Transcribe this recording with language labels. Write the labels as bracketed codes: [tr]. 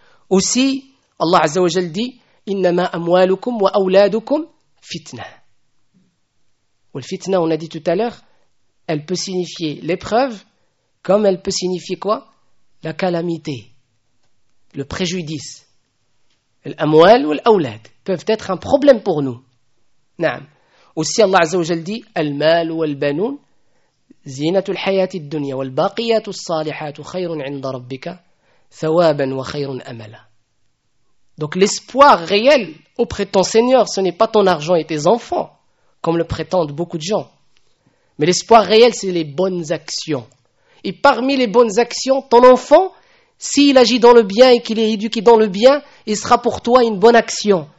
[fr] Aussi, [ar] Allah Azza wa Jal dit « Innama amwalukum wa awladukum fitna ». [fr] Le fitna, on a dit tout à l'heure, elle peut signifier l'épreuve, comme elle peut signifier quoi? La calamité, le préjudice. L'amwal ou l'awlad peuvent être un problème pour nous. [ar] Naam. [fr] Aussi, [ar] Allah Azza wa Jal dit « Al-mal ou al-banoun » زينة الحياة الدنيا والباقيات الصالحات خير عند ربك ثوابا وخير املا. [fr] Donc l'espoir réel auprès de ton Seigneur, ce n'est pas ton argent et tes enfants, comme le prétendent beaucoup de gens. Mais l'espoir réel, c'est les bonnes actions. Et parmi les bonnes actions, ton enfant, s'il agit dans le bien et qu'il est éduqué dans le bien, il sera pour toi une bonne action.